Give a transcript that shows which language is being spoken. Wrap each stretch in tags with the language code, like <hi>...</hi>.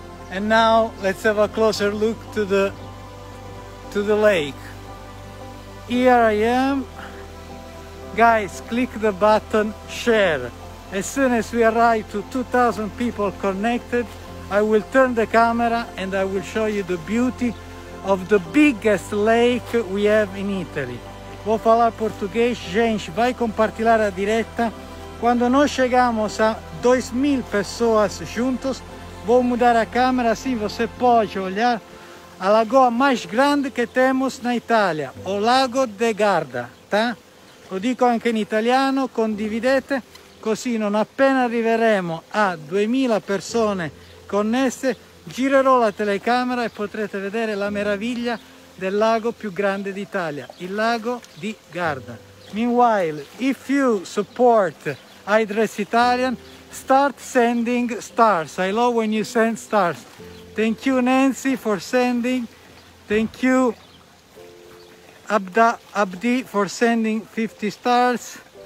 <en>And now let's have a closer look to the lake. Here I am. Guys, click the button share. As soon as we arrive to 2,000 people connected, I will turn the camera and I will show you the beauty of the biggest lake we have in Italy.</en> <pt>Vou falar português, gente, vai compartilhar a direta. Quando nós chegamos a 2,000 pessoas juntos, vou mudar a câmera, assim você pode olhar a lagoa mais grande que temos na Itália, o Lago de Garda, tá?</pt> <it>Lo dico anche in italiano, condividete, così non appena arriveremo a 2,000 persone connesse, girerò la telecamera e potrete vedere la meraviglia del lago più grande d'Italia, il Lago di Garda.</it> <en>Meanwhile, if you support Address Italian, start sending stars. I love when you send stars. Thank you, Nancy, for sending. Thank you, Abdi, for sending 50 stars.</en>